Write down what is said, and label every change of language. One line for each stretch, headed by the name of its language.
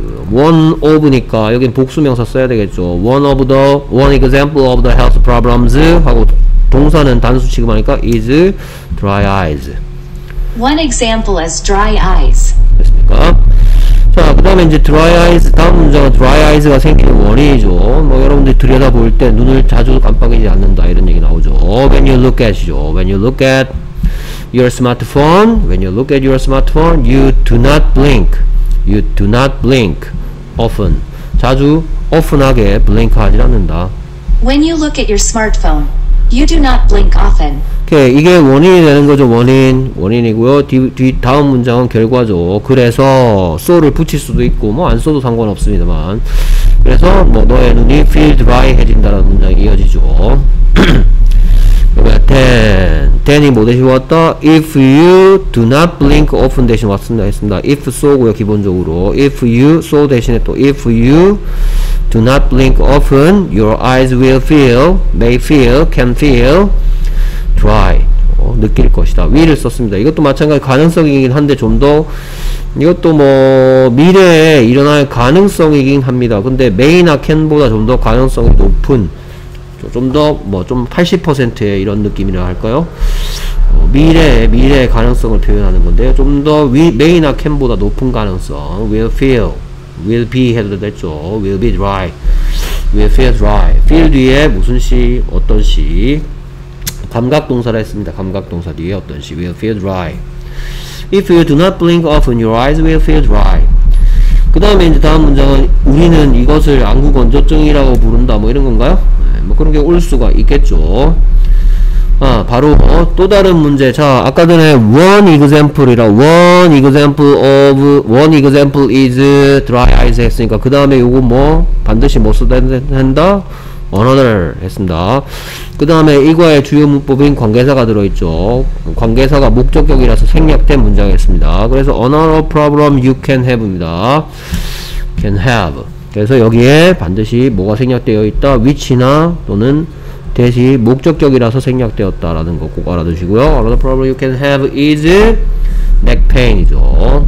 English: one of니까
Korean: 여긴 복수명사 써야 되겠죠.
English: one of the one example of the health problems
Korean: 하고 동사는 단수 취급하니까
English: is dry eyes. One example is dry eyes.
Korean: 됐습니까? 자, 그 다음에 이제 dry eyes, 다음 문장은 dry eyes가 생기는 원인이죠. 뭐, 여러분들이 들여다볼 때 눈을 자주 깜빡이지 않는다. 이런 얘기 나오죠.
English: When you look at
Korean: 이죠.
English: When you look at your smartphone, when you look at your smartphone, you do not blink. You do not blink often.
Korean: 자주 often하게 blink 하지 않는다.
English: When you look at your smartphone, you do not blink often.
Korean: 이게 원인이 되는 거죠. 원인이고요. 뒤 다음 문장은 결과죠. 그래서 so를 붙일 수도 있고 뭐 안 써도 상관없습니다만. 그래서 뭐 너의 눈이 feel dry 해진다라는 문장이 이어지죠. 그러니까 then이 뭐 대신 왔다?
English: If you do not blink often
Korean: 대신 왔습니다. 했습니다. If so고요. 기본적으로
English: if you so 대신에 또 if you do not blink often, your eyes will feel, may feel, can feel.
Korean: dry 느낄 것이다. will을 썼습니다. 이것도 마찬가지 가능성이긴 한데 좀 더 이것도 뭐 미래에 일어날 가능성이긴 합니다. 근데 may나 can보다 좀 더 가능성이 높은 좀 더 뭐 좀 80%의 이런 느낌이라 할까요? 미래의 가능성을 표현하는 건데요. 좀 더 may나 can보다 높은 가능성
English: will feel, will be
Korean: 해도 됐죠.
English: will be dry, will feel dry.
Korean: feel 뒤에 무슨 시, 어떤 시 감각동사라 했습니다. 감각동사 뒤에 어떤 시
English: will feel dry. If you do not blink often, your eyes will feel dry.
Korean: 그 다음에 이제 다음 문장은 우리는 이것을 안구건조증이라고 부른다 뭐 이런 건가요? 네, 뭐 그런 게 올 수가 있겠죠. 아, 바로 또 다른 문제. 자, 아까 전에
English: one example is dry eyes
Korean: 했으니까 그 다음에 요거 뭐 반드시 못 써도 된다? another 했습니다. 그 다음에 이거의 주요 문법인 관계사가 들어있죠. 관계사가 목적격이라서 생략된 문장이었습니다.
English: 그래서 another problem you can have 입니다. can have.
Korean: 그래서 여기에 반드시 뭐가 생략되어 있다? which나 또는 that이 목적격이라서 생략되었다라는 거 꼭 알아두시고요.
English: another problem you can have is neck pain이죠.